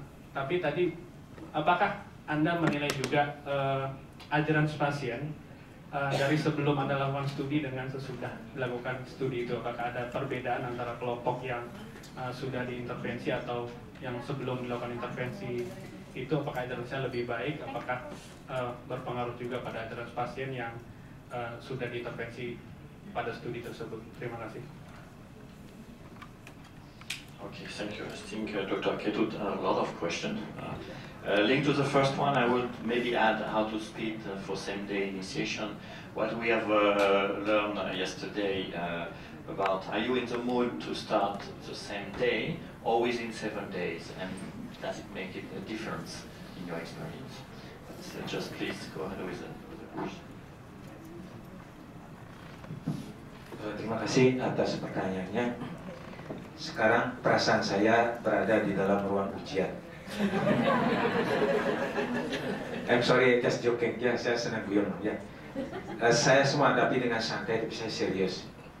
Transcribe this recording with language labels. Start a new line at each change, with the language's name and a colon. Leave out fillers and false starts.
Indonesian: Tapi tadi apakah Anda menilai juga ajaran pasien dari sebelum Anda lakukan studi dengan sesudah melakukan studi itu, apakah ada perbedaan antara kelompok yang sudah diintervensi atau yang sebelum dilakukan intervensi itu, apakah ajarannya lebih baik, apakah berpengaruh juga pada ajaran pasien yang sudah diintervensi pada studi tersebut. Terima kasih.
English: Okay, thank you. I think Dr. Ketut a lot of questions. Linked to the first one, I would maybe add how to speed for same day initiation. What we have learned yesterday about, are you in the mood to start the same day or within 7 days, and does it make it a difference in your experience? So just please go ahead with the question.
Indonesian: Terima kasih atas pertanyaannya. Sekarang perasaan saya berada di dalam ruang ujian.
English: I'm sorry, just joking.
Indonesian: Ya, saya senang guyon. Ya. Saya semua hadapi dengan santai, tapi saya serius.